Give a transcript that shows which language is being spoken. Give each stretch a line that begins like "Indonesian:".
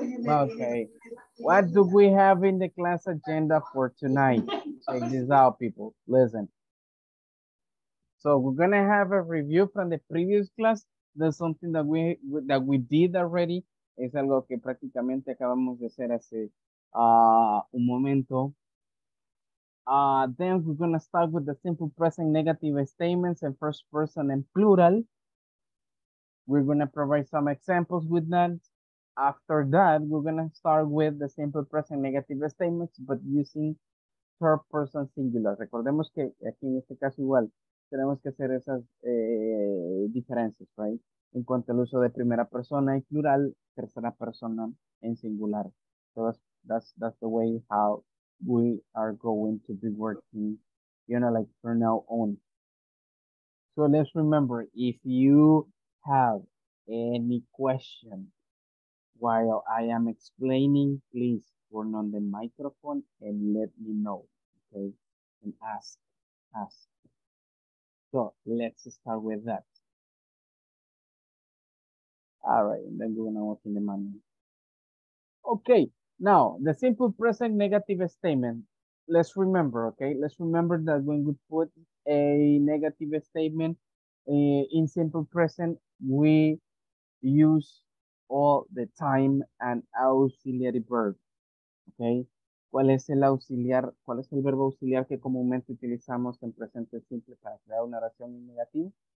English: Okay, what do we have in the class agenda for tonight? Check this out, people. Listen. So we're gonna have a review from the previous class. That's something that we did already.
Spanish: Es algo que prácticamente acabamos de hacer hace un momento.
English: Then we're gonna start with the simple present negative statements in first person and plural. We're gonna provide some examples with that. After that, we're gonna start with the simple present negative statements, but using third person singular.
Spanish: Recordemos que aquí en este caso igual tenemos que hacer esas diferencias, right? En cuanto al uso de primera persona y plural, tercera persona en singular.
English: So that's the way how we are going to be working, you know, like from now on. So let's remember, if you have any question while I am explaining, please turn on the microphone and let me know, okay? And ask. So let's start with that. All right, and then we're gonna work in the manual. Okay, now the simple present negative statement. let's remember, okay? Let's remember that when we put a negative statement in simple present, we use all the time and auxiliary verb, okay?
Spanish: ¿Cuál es el auxiliar? ¿Cuál es el verbo auxiliar que comúnmente utilizamos en presente simple para crear una oración en negativo?